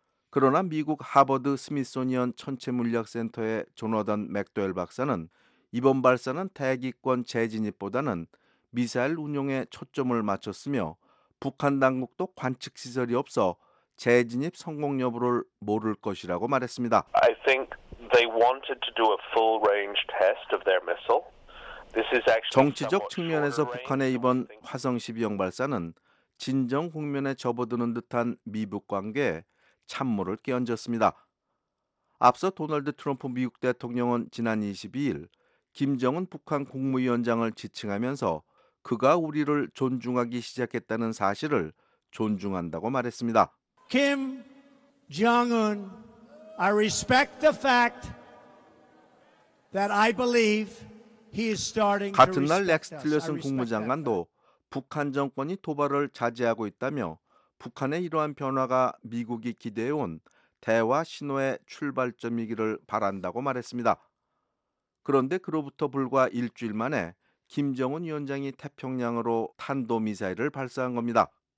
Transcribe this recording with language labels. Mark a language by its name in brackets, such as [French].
[Korean] 그러나 미국 하버드 스미소니언 천체물리학센터의 조너던 맥도웰 박사는 이번 발사는 대기권 재진입보다는 미사일 운용에 초점을 맞췄으며 북한 당국도 관측시설이 없어 재진입 성공 여부를 모를 것이라고 말했습니다. [English] I think they wanted to do a full range test of their missile. [Korean] 정치적 측면에서 북한의 이번 화성 12형 발사는 진정 국면에 접어드는 듯한 미북 관계에 찬물을 끼얹었습니다. 앞서 도널드 트럼프 미국 대통령은 지난 22일 김정은 북한 국무위원장을 지칭하면서 그가 우리를 존중하기 시작했다는 사실을 존중한다고 말했습니다. [English] Kim Jong-un, I respect the fact that I believe [Korean] 같은 날 렉스 틸러슨 국무장관도 북한 정권이 도발을 자제하고 있다며 북한의 이러한 변화가 미국이 기대해온 대화 신호의 출발점이기를 바란다고 말했습니다. 그런데 그로부터 불과 일주일 만에 김정은 위원장이 태평양으로 탄도미사일을 발사한 겁니다.